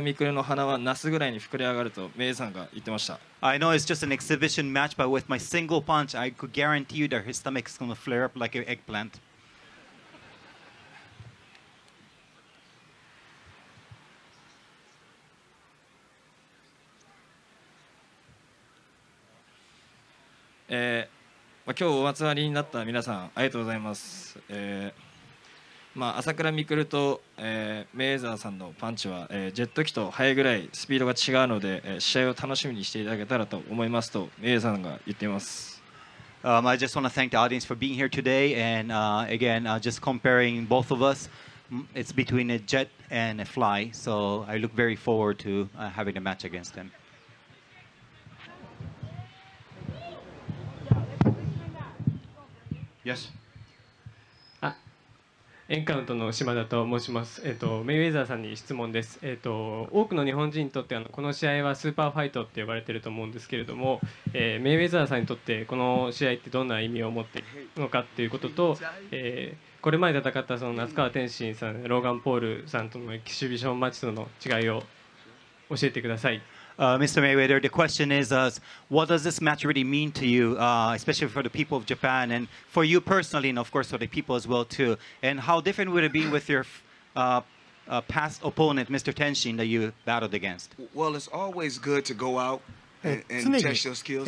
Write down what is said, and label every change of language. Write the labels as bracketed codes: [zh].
[ja] エキシビジョンマッチだけど、俺のパンチで朝倉みくるの鼻はナスぐらいに膨れ上がるとメイさんが言ってました。 [en] I know it's just an exhibition match, but with my single punch, I could guarantee you that his stomach is going to flare up like an eggplant. [ja] まあ今日お集まりになった皆さん、ありがとうございます。まあ朝倉みくるとメイザーさんのパンチはジェット機と速いぐらいスピードが違うので試合を楽しみにしていただけたらと思いますとメイザーさんが言っています。 [en] I just want to thank the audience for being here today, and again, just comparing both of us, it's between a jet and a fly, so I look very forward to having a match against them. Yes. [ja] エンカウントの島田と申します。メイウェザーさんに質問です。多くの日本人にとってこの試合はスーパーファイトって呼ばれていると思うんですけれども、メイウェザーさんにとってこの試合ってどんな意味を持っているのかということと、これまで戦ったその夏川天心さん、ローガン・ポールさんとのエキシビションマッチとの違いを教えてください。 [en] Mr. Mayweather, the question is, what does this match really mean to you, especially for the people of Japan and for you personally, and of course for the people as well too? And how different would it be with your past opponent, Mr. Tenshin, that you battled against? Well, it's always good to go out and test your skills.